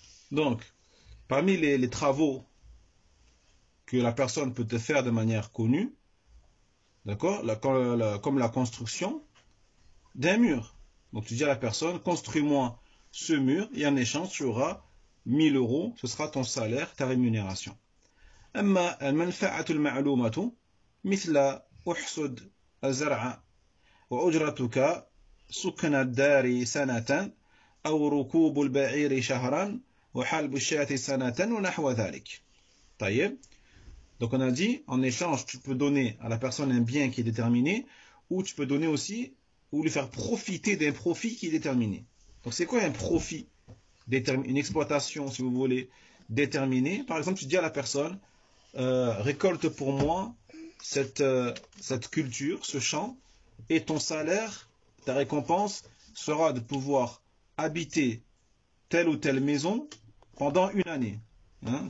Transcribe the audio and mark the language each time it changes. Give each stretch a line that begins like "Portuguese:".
French: Donc, parmi les travaux que la personne peut te faire de manière connue, d'accord, comme la construction d'un mur. Donc tu dis à la personne, construis-moi ce mur et en échange tu auras 1000 euros, ce sera ton salaire, ta rémunération.
Arabic: أما المنفعة المعلومة مثل أحصد الزرع وأجرتك سكن الدار سنة أو ركوب البعير شهرا وحلب الشاة سنة ونحو ذلك. طيب.
French: Donc on a dit, en échange, tu peux donner à la personne un bien qui est déterminé, ou tu peux donner aussi, ou lui faire profiter d'un profit qui est déterminé. Donc c'est quoi un profit déterminé, une exploitation, si vous voulez, déterminée? Par exemple, tu dis à la personne, récolte pour moi cette culture, ce champ, et ton salaire, ta récompense sera de pouvoir habiter telle ou telle maison pendant une année. Hein?